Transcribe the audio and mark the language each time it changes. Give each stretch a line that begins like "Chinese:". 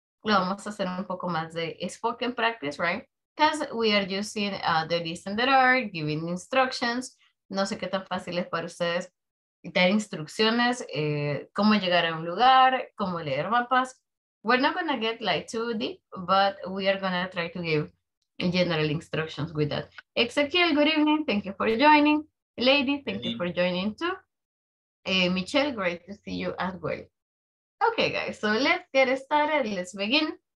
Spanish: Lo vamos a hacer un poco más de
English: spoken practice, right? Because we are using the listen that are giving instructions.
Spanish: No sé qué tan fácil es para ustedes dar instrucciones, cómo llegar a un lugar, cómo leer mapas.
English: We're not gonna get like too deep, but we are gonna try to give general instructions with that. Ezequiel, good evening. Thank you for joining. Lady, thank you for joining too. Michelle, great to see you as well. Okay, guys, so let's get started. Let's begin.